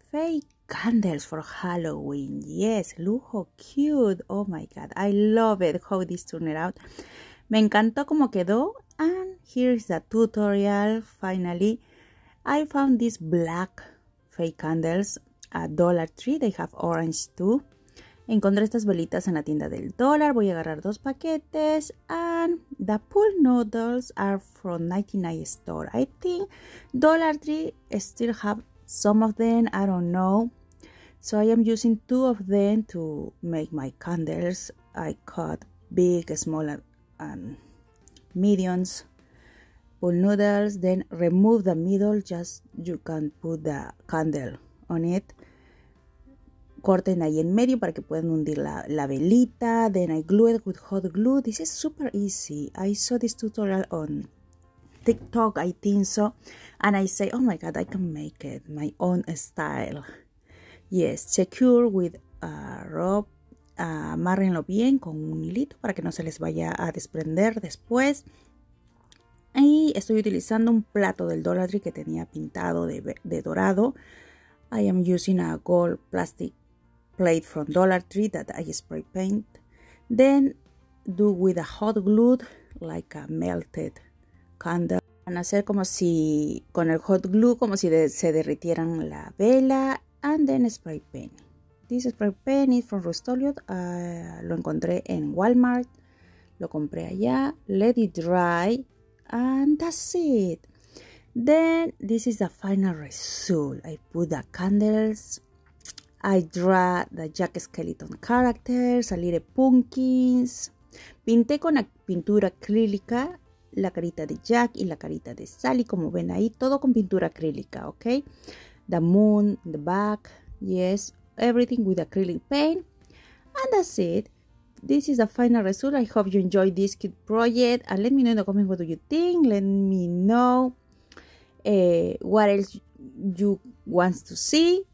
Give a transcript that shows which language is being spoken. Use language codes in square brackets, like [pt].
[en] Fake candles for Halloween, yes, lujo cute, oh my god, I love it, how this turned out. [es] Me encantó cómo quedó, [en] and here is the tutorial, finally. I found these black fake candles at Dollar Tree, they have orange too. [es] Encontré estas velitas en la tienda del dólar, voy a agarrar dos paquetes. [en] And the pool noodles are from 99 store. I think Dollar Tree still have some of them, I don't know. So I am using two of them to make my candles. I cut big, small and mediums pool noodles. Then remove the middle, just you can put the candle on it. [es] Corten ahí en medio para que puedan hundir la velita. [en] Then I glue it with hot glue. This is super easy. I saw this tutorial on TikTok, I think so. And I say, oh my god, I can make it my own style. Yes, secure with a rope. [es] Amárrenlo bien con un hilito para que no se les vaya a desprender después. Y estoy utilizando un plato del Dollar Tree que tenía pintado de dorado. [en] I am using a gold plastic plate from Dollar Tree that I spray paint, then do with a hot glue like a melted candle. [es] Van a hacer como si con el hot glue como si se derritieran la vela, [en] and then spray paint. This spray paint is from Rust-Oleo. [es] Lo encontré en Walmart, lo compré allá. [en] Let it dry and that's it. Then this is the final result. I put the candles. I draw the Jack Skeleton characters, a little pumpkins. [es] Pinté con la pintura acrílica la carita de Jack y la carita de Sally, como ven ahí, todo con pintura acrílica, ¿ok? [en] The moon, the back, yes, everything with acrylic paint. And that's it. This is the final result. I hope you enjoyed this cute project. And let me know in the comments what do you think. Let me know what else you want to see.